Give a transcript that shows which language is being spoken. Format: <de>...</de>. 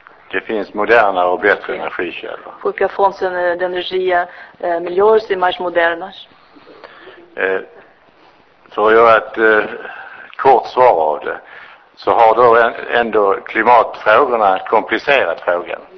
<sv>Det finns moderna och bättre energikällor.</sv> <pt>Porque a fonte de energia melhores e mais modernas.</pt> <sv>Så jag har ett kort svar av det. Så har då ändå klimatfrågorna komplicerat frågan.</sv>